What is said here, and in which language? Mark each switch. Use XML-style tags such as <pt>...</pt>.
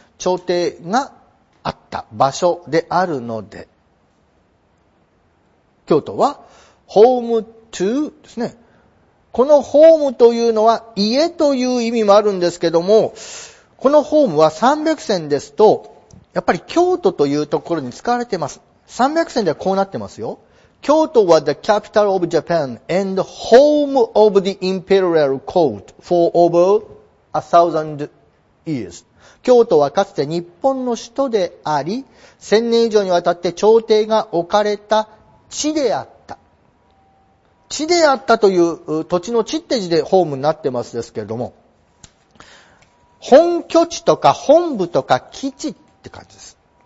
<ja>朝廷があった場所であるので、京都は、</ja> <en>home to</en> <ja>ですね。このホームというのは、家という意味もあるんですけども、このホームは300選ですと、やっぱり京都というところに使われています。 300選ではこうなってますよ。</ja> <en>京都 was the capital of Japan and home of the imperial court for over 1,000 years.</en> <ja>京都はかつて日本の首都であり、1000年以上にわたって朝廷が置かれた地であった。地であったという土地の地って字でホームになってますですけれども、本拠地とか本部とか基地、って感じです。</ja>